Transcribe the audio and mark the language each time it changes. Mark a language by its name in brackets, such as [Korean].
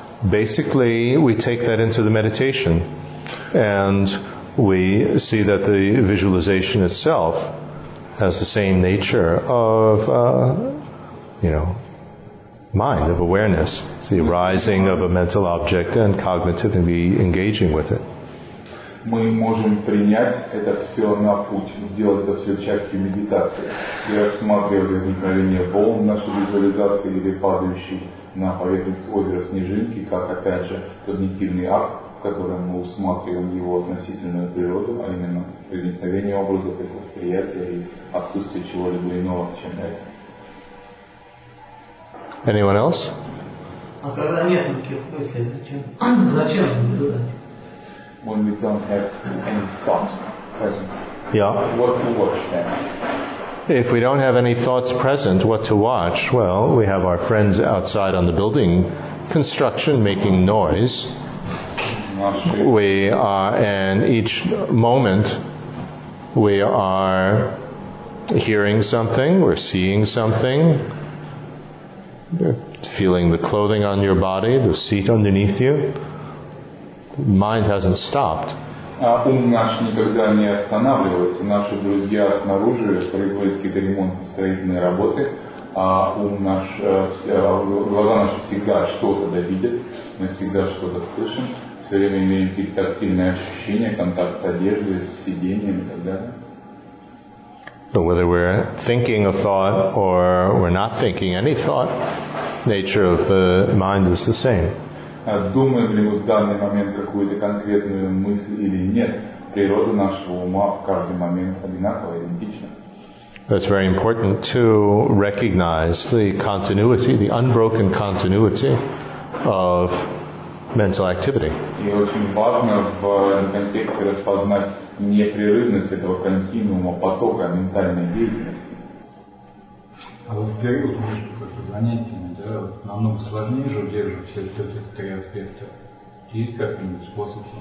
[English] Basically, we take that into the meditation and we see that the visualization itself has the same nature of, mind, of awareness, the arising of a mental object and cognitively engaging with it. [Russian] Мы можем принять это все на путь, сделать это все частью медитации. И рассматривая возникновение волн в нашей визуализации или падающей на поверхность озера снежинки, как, опять же, когнитивный акт, в котором мы усматриваем его относительную природу, а именно возникновение образов, их восприятия и отсутствие чего-либо иного, чем это. [English] Anyone else? [Russian] А когда нет никаких мыслей, зачем наблюдать? [English] When we don't have any thoughts present, yeah. What to watch then? If we don't have any thoughts present, what to watch? Well, we have our friends outside on the building construction making noise. We are, and each moment we are hearing something, we're seeing something, feeling the clothing on your body, the seat underneath you. Mind hasn't stopped. [Russian] Ум наш никогда не останавливается. Наши друзья снаружи производят какие-то ремонтные строительные работы, а ум наш, глаза наши всегда что-то видят, мы всегда что-то слышим, все время имеем какие-то тактильные ощущения, контакт с одеждой, с сиденьем и так далее. [English] So whether we're thinking a thought or we're not thinking any thought, nature of the mind is the same. [Russian] думаем ли мы в данный момент какую-то конкретную мысль или нет. Природа нашего ума в каждый момент одинакова и идентична. [English] That's very important to recognize the continuity, the unbroken continuity of mental activity. [Russian] И очень важно в контексте распознать непрерывность этого континуума потока ментальной деятельности. А вот период между занятиями, да, намного сложнее же удерживать все эти три аспекта. Есть какой-нибудь способ